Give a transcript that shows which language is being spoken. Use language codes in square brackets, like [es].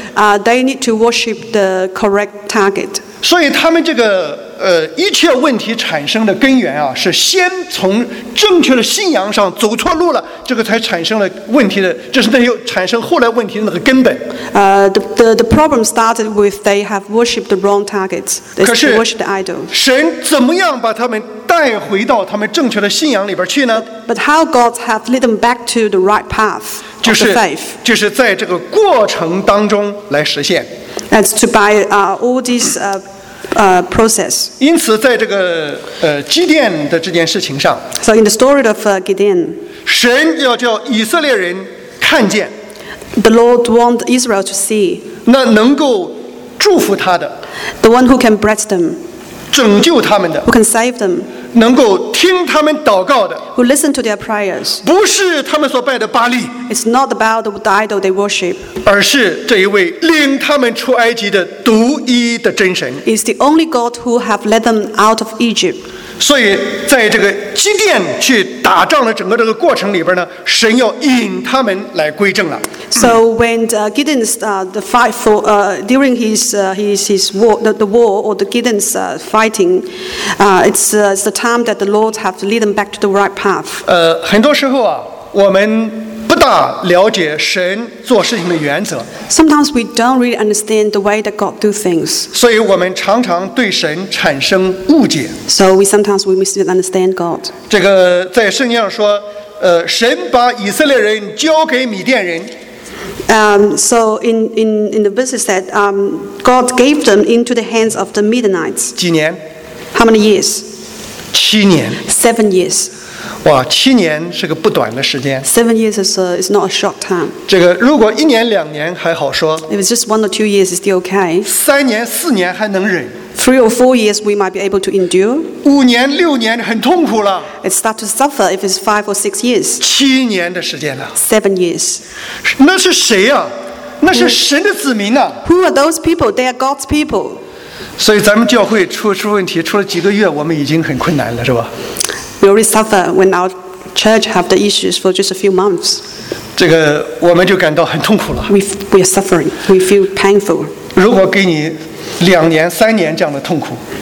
[en] They need to worship the correct target. [zh] 所以他们这个一切问题产生的根源啊，是先从正确的信仰上走错路了，这个才产生了问题的，就是那又产生后来问题的那个根本。 [en] The problem started with they have worshipped the wrong targets. They worshipped the idol. [zh] 可是神怎么样把他们带回到他们正确的信仰里边去呢？ [en] But how God have led them back to the right path of the faith? [zh] 就是在这个过程当中来实现。 [en] That's to buy all these. Process. [zh] 因此在这个基甸的这件事情上， [en] So in the story of Gideon, [zh] 神要叫以色列人看见， [en] The Lord want Israel to see. [zh] 那能够祝福他的， [en] The one who can bless them. [zh] 拯救他们的， [en] Who can save them. [zh] 能够听他们祷告的， [en] Who listen to their prayers. [zh] 不是他们所拜的巴利， [en] It's not about the idol they worship. [zh] 而是这一位领他们出埃及的独一的真神， [en] It's the only God who have led them out of Egypt. [zh] 所以在这个基甸去打仗的整个这个过程里边呢，神要引他们来归正了。 [en] So when Gideon the fight for during his war the war or the Gideon's fighting, it's the time that the Lord have to lead them back to the right path. [zh] 很多时候啊，我们不大了解神做事情的原则。 [en] Sometimes we don't really understand the way that God do things. [zh] 所以我们常常对神产生误解。 [en] So we sometimes misunderstand God. [zh] 这个在圣经上说，神把以色列人交给米甸人。 [en] So in the verses that God gave them into the hands of the Midianites. [zh] 几年？ [en] How many years? [zh] 七年。 [en] Seven years. [zh] 哇，七年是个不短的时间。 [en] Seven years is not a short time. [zh] 这个如果一年两年还好说。 [en] If it's just 1 or 2 years, it's still okay. [zh] 三年四年还能忍。 [en] 3 or 4 years, we might be able to endure. [zh] 五年六年很痛苦了。 [en] It start to suffer if it's 5 or 6 years. [zh] 七年的时间了。 [en] 7 years. [zh] 那是谁呀、啊？那是神的子民呢、啊。 [en] Who are those people? They are God's people. [zh] 所以咱们教会出问题，出了几个月，我们已经很困难了，是吧？ [en] We already suffer when our church have the issues for just a few months. [zh] 这个我们就感到很痛苦了。 [en] We are suffering. We feel painful. [zh] 如果给你两年三年这样的痛苦，